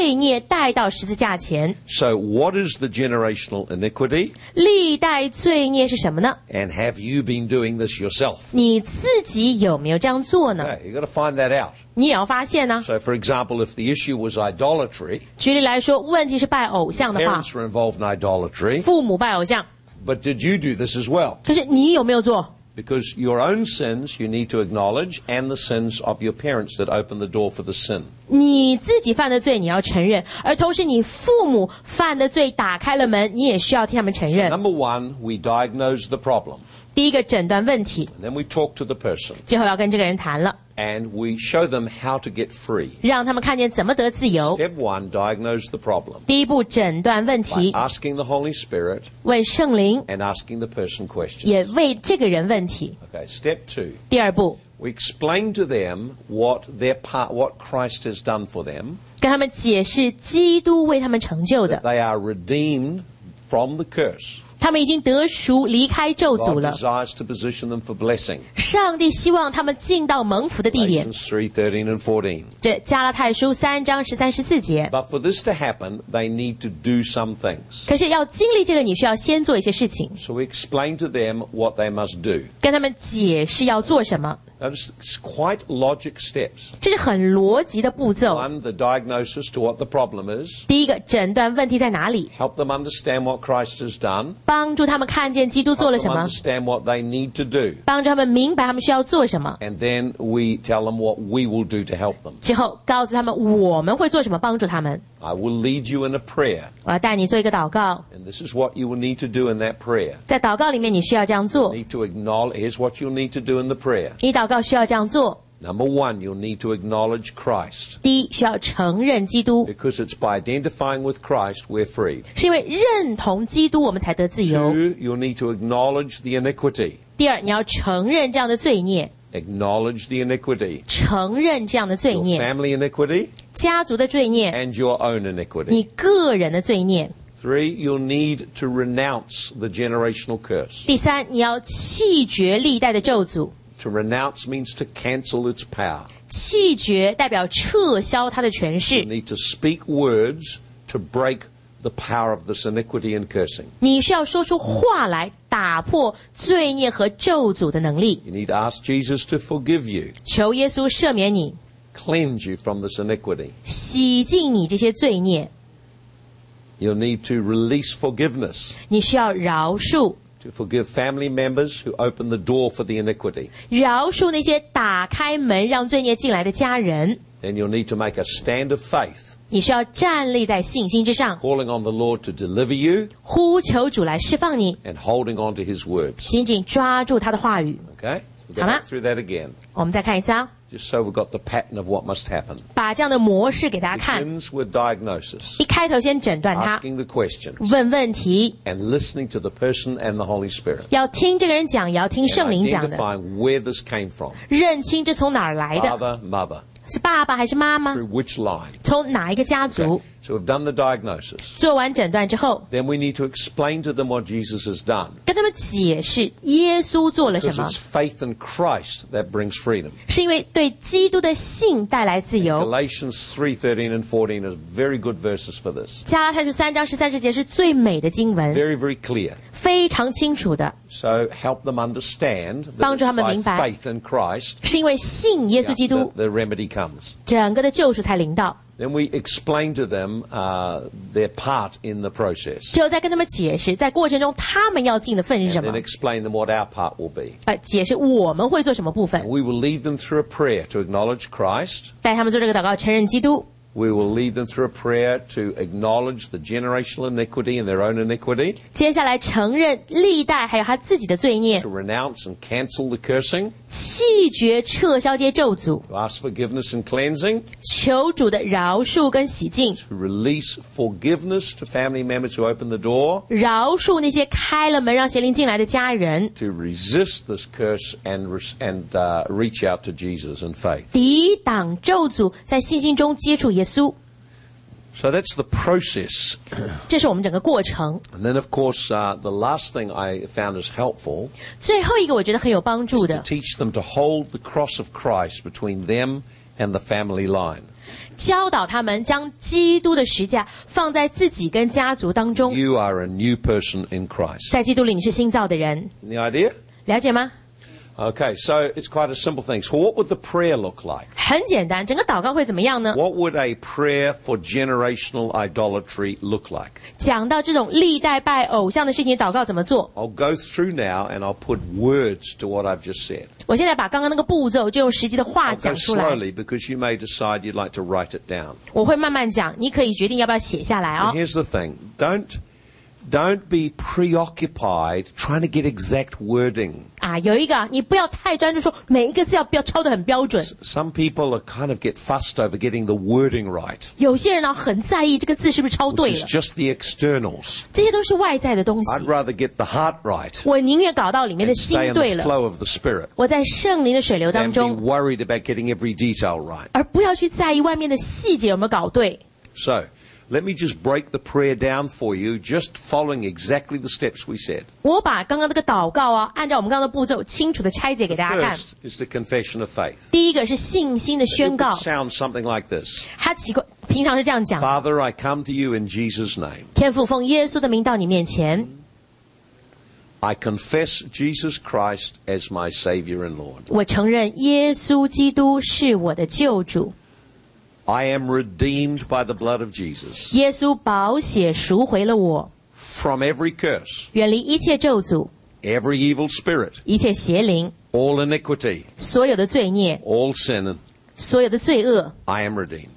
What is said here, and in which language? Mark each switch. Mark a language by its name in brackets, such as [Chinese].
[Chinese] 因此你要承认这个东西，将罪孽带到十字架前。 [English] So what is the generational iniquity? [Chinese] 历代罪孽是什么呢? [English] And have you been doing this yourself? [Chinese] 你自己有没有这样做呢? [English] Okay, you've got to find that out. [Chinese] 你也要发现呢。 [English] So for example, if the issue was idolatry, [Chinese] 举例来说, 问题是拜偶像的话, [English] parents were involved in idolatry, [Chinese] 父母拜偶像。 [English] But did you do this as well? [Chinese] 可是你有没有做? [English] Because your own sins you need to acknowledge and the sins of your parents that opened the door for the sin. [Chinese] 你自己犯的罪你要承认，而同时你父母犯的罪打开了门，你也需要替他们承认。 [English] So number one, we diagnose the problem. [Chinese] 第一个诊断问题。 [English] And then we talk to the person. [Chinese] 最后要跟这个人谈了。 [English] And we show them how to get free. [Chinese] 让他们看见怎么得自由。 [English] Step one, diagnose the problem. [Chinese] 第一步诊断问题。 [English] By asking the Holy Spirit. [Chinese] 问圣灵。 [English] And asking the person questions. [Chinese] 也为这个人问题。 [English] Okay, step two. [Chinese] 第二步。 [English] We explain to them what their part, what Christ has done for them. [Chinese] 跟他们解释基督为他们成就的。 [English] That they are redeemed from the curse. [Chinese] 他们已经得赎离开咒诅了。 [English] God desires to position them for blessing. [Chinese] 上帝希望他们进到蒙福的地点。 [English] Galatians 3:13-14. [Chinese] 这加拉太书三章十三十四节。 [English] But for this to happen, they need to do some things. [Chinese] 可是要经历这个，你需要先做一些事情。 [English] So we explain to them what they must do. [Chinese] 跟他们解释要做什么。 [English] That's quite logic steps. [Chinese] 这是很逻辑的步骤。 [English] One, the diagnosis to what the problem is. [Chinese] 第一个，诊断问题在哪里。 [English] Help them understand what Christ has done. [Chinese] 帮助他们看见基督做了什么。 [English] Help them understand what they need to do. [Chinese] 帮助他们明白他们需要做什么。 [English] And then we tell them what we will do to help them. [Chinese] 之后告诉他们我们会做什么帮助他们。 [English] I will lead you in a prayer. [Chinese] 我要带你做一个祷告。 [English] And this is what you will need to do in that prayer. [Chinese] 在祷告里面你需要这样做。 [English] You need to acknowledge, here's what you'll need to do in the prayer. [Chinese] 你祷告需要这样做。 [English] Number one, you'll need to acknowledge Christ. [Chinese] 第一，需要承认基督。 [English] Because it's by identifying with Christ, we're free. [Chinese] 是因为认同基督我们才得自由。 [English] Two, you'll need to acknowledge the iniquity. [Chinese] 第二，你要承认这样的罪孽。 [English] Acknowledge the iniquity. [Chinese] 承认这样的罪孽。 [English] Your family iniquity. [Chinese] 家族的罪孽 [English] and your own iniquity. [Chinese] 你个人的罪孽 [English] Three, you'll need to renounce the generational curse. [Chinese] 第三，你要弃绝历代的咒诅 [English] To renounce means to cancel its power. [Chinese] 弃绝代表撤销它的权势 [English] You need to speak words to break the power of this iniquity and cursing. [Chinese] 你需要说出话来打破罪孽和咒诅的能力 [English] You need to ask Jesus to forgive you. [Chinese] 求耶稣赦免你 [English] Cleanse you from this iniquity. [Chinese] 洗净你这些罪孽。 [English] You'll need to release forgiveness. [Chinese] 你需要饶恕。 [English] To forgive family members who opened the door for the iniquity. [Chinese] 饶恕那些打开门让罪孽进来的家人。 [English] Then you'll need to make a stand of faith. [Chinese] 你需要站立在信心之上。 [English] Calling on the Lord to deliver you. [Chinese] 呼求主来释放你。 [English] And holding on to His words. [Chinese] 紧紧抓住他的话语。 [English] Okay. So go through that again. [Chinese] 我们再看一次啊。 [English] Just so we've got the pattern of what must happen. [Chinese] 把这样的模式给大家看。 [English] Begins with diagnosis. [Chinese] 一开头先诊断他。 [English] Asking the questions. [Chinese] 问问题。 [English] And listening to the person and the Holy Spirit. [Chinese] 要听这个人讲，也要听圣灵讲的。 [English] And identifying where this came from. [Chinese] 认清这从哪儿来的。 [English] Father, mother. [Chinese] 是爸爸还是妈妈？ [English] Through which line? [Chinese] 从哪一个家族？ [English] Okay. So we've done the diagnosis. [Chinese] 做完诊断之后。 [English] Then we need to explain to them what Jesus has done. [Chinese] 跟他们解释耶稣做了什么。 [English] Because it's faith in Christ that brings freedom. [Chinese] 是因为对基督的信带来自由。 [English] Galatians 3:13-14 are very good verses for this. [Chinese] 加拉太书三章十三十节是最美的经文。 [English] Very, very clear. [Chinese] 非常清楚的 [English] So help them understand [Chinese] 帮助他们明白 [English] faith in Christ [Chinese] 是因为信耶稣基督 [English] yeah, the remedy comes [Chinese] 整个的救赎才临到 [English] Then we explain to them their part in the process [Chinese] 之后再跟他们解释在过程中他们要尽的份是什么 [English] And then explain them what our part will be [Chinese] 解释我们会做什么部分 [English] We will lead them through a prayer to acknowledge Christ [Chinese] 带他们做这个祷告承认基督 [English] We will lead them through a prayer to acknowledge the generational iniquity and their own iniquity. [Chinese] 接下来承认历代还有他自己的罪孽。 [English] To renounce and cancel the cursing. [Chinese] 弃绝撤销这些咒诅。 [English] To ask forgiveness and cleansing. [Chinese] 求主的饶恕跟洗净。 [English] To release forgiveness to family members who opened the door. [Chinese] 饶恕那些开了门让邪灵进来的家人。 [English] To resist this curse and reach out to Jesus in faith. [Chinese] 抵挡咒诅在信心中接触 [English] So that's the process. [Chinese] 这是我们整个过程。 [English] And then, of course, the last thing I found is helpful. [Chinese] 最后一个我觉得很有帮助的。 [English] Is to teach them to hold the cross of Christ between them and the family line. [Chinese] 教导他们将基督的十字架放在自己跟家族当中。 [English] You are a new person in Christ. [Chinese] 在基督里你是新造的人。 [English] The idea? [Chinese] 了解吗？ [English] Okay, so it's quite a simple thing. So what would the prayer look like? [Chinese] 很简单，整个祷告会怎么样呢？ [English] What would a prayer for generational idolatry look like? [Chinese] 讲到这种历代拜偶像的事情，祷告怎么做？ [English] I'll go through now and I'll put words to what I've just said. [Chinese] 我现在把刚刚那个步骤就用实际的话讲出来。 [English] I'll go slowly because you may decide you'd like to write it down. [Chinese] 我会慢慢讲，你可以决定要不要写下来哦。 [English] And here's the thing, don't be preoccupied trying to get exact wording. [Chinese] 啊，有一个，你不要太专注说每一个字要不要抄得很标准。 [English] Some people are kind of get fussed over getting the wording right. [Chinese] 有些人呢，很在意这个字是不是抄对了。 [English] Which is just the externals. [Chinese] 这些都是外在的东西。 [English] I'd rather get the heart right. [Chinese] 我宁愿搞到里面的心对了。 [English] And stay in the flow of the spirit. [Chinese] 我在圣灵的水流当中。 [English] And be worried about getting every detail right. [Chinese] 而不要去在意外面的细节有没有搞对。 [English] So,Let me just break the prayer down for you, just following exactly the steps we said. [Chinese] 我把刚刚这个祷告啊，按照我们刚刚的步骤，清楚的拆解给大家看。 [English] First is the confession of faith. [Chinese] 第一个是信心的宣告。 [English] It would sound something like this. [Chinese] 它奇怪，平常是这样讲。 [English] Father, I come to you in Jesus' name. [Chinese] 天父，奉耶稣的名到你面前。 [English] I confess Jesus Christ as my Savior and Lord. [Chinese] 我承认耶稣基督是我的救主。 [English] I am redeemed by the blood of Jesus. [Chinese] 耶稣宝血赎回了我。 [English] From every curse. [Chinese] 远离一切咒诅。 [English] Every evil spirit. [Chinese] 一切邪灵。 [English] All iniquity. [Chinese] 所有的罪孽。 [English] All sin. [Chinese] 所有的罪恶。 [English] I am redeemed.